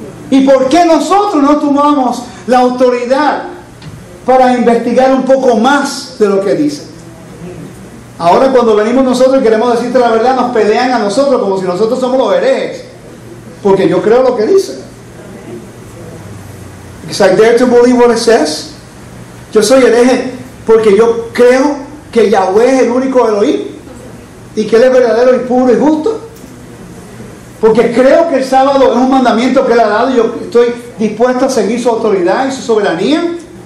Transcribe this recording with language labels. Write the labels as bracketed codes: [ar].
[es] ¿Y por qué nosotros no tomamos la autoridad para investigar un poco más de lo que dice? Ahora cuando venimos nosotros y queremos decirte la verdad, nos pelean a nosotros como si nosotros somos los herejes, porque yo creo lo que dice. [en] Because I dare to believe what it says. [es] Yo soy hereje porque yo creo que Yahweh es el único Elohim y que Él es verdadero y puro y justo. Porque creo que el sábado es un mandamiento que Él ha dado y yo estoy dispuesto a seguir su autoridad y su soberanía.